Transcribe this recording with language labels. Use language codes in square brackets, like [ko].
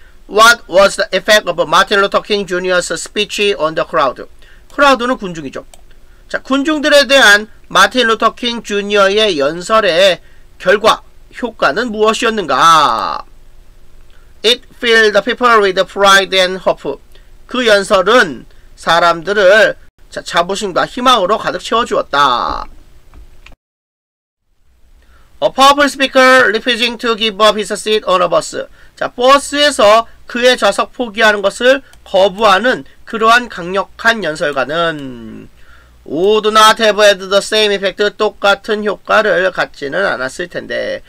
[en] What was the effect of Martin Luther King Jr.'s speech on the crowd? [ko] 크라우드는 군중이죠. 자, 군중들에 대한 마틴 루터 킹 주니어의 연설의 결과, 효과는 무엇이었는가? [en] It filled the people with pride and hope. [ko] 그 연설은 사람들을 자, 자부심과 희망으로 가득 채워주었다. [en] A powerful speaker refusing to give up his seat on a bus. [ko] 자, 버스에서 그의 좌석 포기하는 것을 거부하는 그러한 강력한 연설가는 [en] would not have had the same effect, [ko] 똑같은 효과를 갖지는 않았을 텐데.